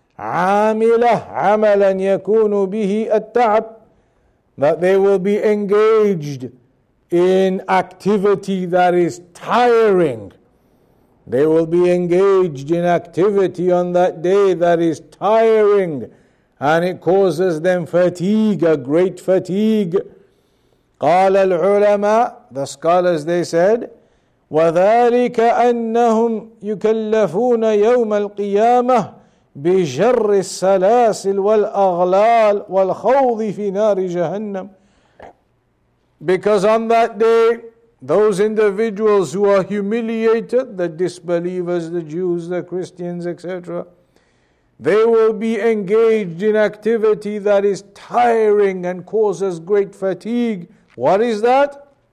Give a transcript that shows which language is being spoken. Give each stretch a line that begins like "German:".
Arabic: عَامِلَةً عَمَلًا يَكُونُ بِهِ التعب,
English: that they will be engaged in activity that is tiring. They will be engaged in activity on that day that is tiring, and it causes them fatigue, a great fatigue.
Arabic: قال العلماء,
English: the scholars, they said,
Arabic: وذلك أنهم يكلفون يوم القيامة بجر السلاسل والأغلال والخوض في نار جهنم.
English: Because on that day, those individuals who are humiliated, the disbelievers, the Jews, the Christians, etc., they will be engaged in activity that is tiring and causes great fatigue. What is that?